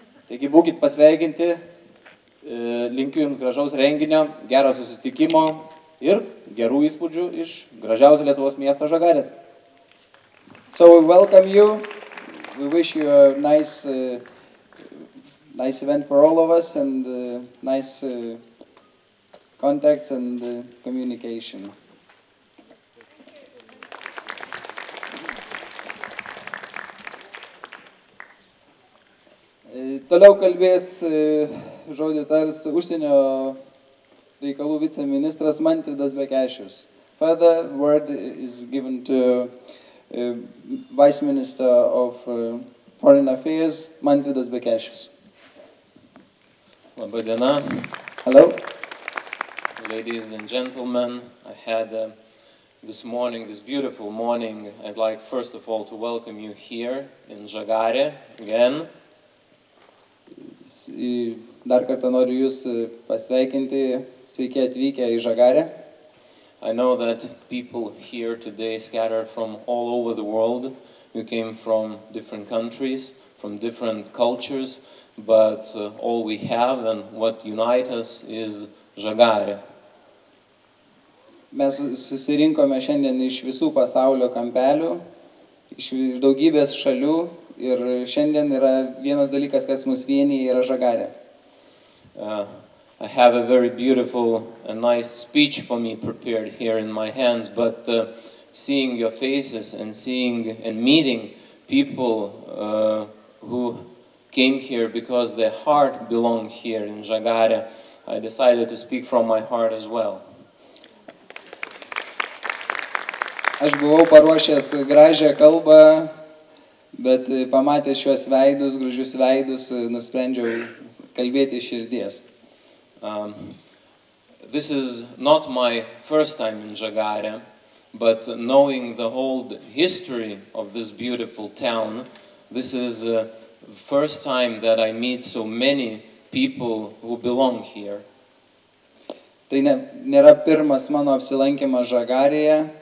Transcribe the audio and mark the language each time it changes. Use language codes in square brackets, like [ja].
[lt] Taigi būkit pasveikinti, linkiu jums gražaus renginio, gero susitikimo ir gerų įspūdžių iš gražiausio Lietuvos miesto Žagarės. [en] So we welcome you, we wish you a nice event for all of us and nice contacts and communication. [lt] Toliau kalbės žodį tars užsienio reikalų viceministras Mantvydas Bekešius. [en] Further word is given to Vice Minister of Foreign Affairs Mantvydas Bekešius. [lt] Labai diena. [en] Hello. Ladies and gentlemen, I had this morning, this beautiful morning, I'd like first of all to welcome you here in Žagarė again. [lt] Dar kartą noriu jūs pasveikinti, sveiki atvykę į Žagarę. [en] I know that people here today scattered from all over the world, you came from different countries, from different cultures, but all we have and what unites us is Žagarė. [lt] Mes susirinkome šiandien iš visų pasaulio kampelių, iš daugybės šalių. Ir šiandien yra vienas dalykas, kas mus vienyje yra Žagarė. [en] I have a very beautiful and nice speech for me prepared here in my hands, but seeing your faces and seeing and meeting people who came here because their heart belong here in Žagarė, I decided to speak from my heart as well. [lt] Aš buvau paruošęs gražią kalbą, bet pamatęs šiuos veidus, gražius veidus, nusprendžiau kalbėti iš širdies. [en] This is not my first time in Žagarė, but knowing the whole history of this beautiful town, this is the first time that I meet so many people who belong here. [lt] Tai nėra pirmas mano apsilankymas Žagarėje.